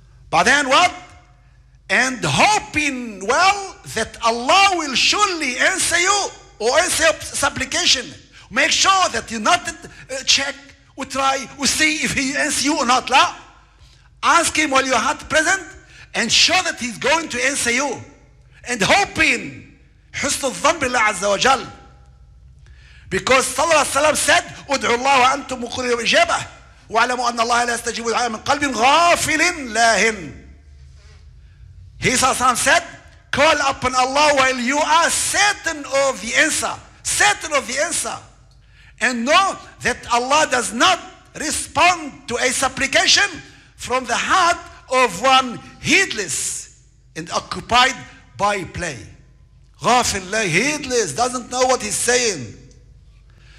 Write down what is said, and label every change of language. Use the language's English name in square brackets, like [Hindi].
[English] But then what? And hoping well that Allah will surely answer you or answer your supplication. Make sure that you not check or try or see if He answers you or not. La? Ask Him while your heart present and show that He's going to answer you. And hoping. [Arabic] حسن الظن بالله عز وجل. Because صلى الله عليه وسلم said, ادعوا الله وأنتم مقرون بالإجابة. وَعَلَمُوا أَنَّ اللَّهَ لَا يَسْتَجِيبُ الدُّعَاءَ مِنْ قَلْبٍ غَافِلٍ لَاهٍ. [English] He said, call upon Allah while you are certain of the answer. Certain of the answer. And know that Allah does not respond to a supplication from the heart of one heedless and occupied by play. [Arabic] غافل, [English] heedless, doesn't know what he's saying. [Arabic] فهذا يكفي. والله أعلم, صلى الله وسلم وبارك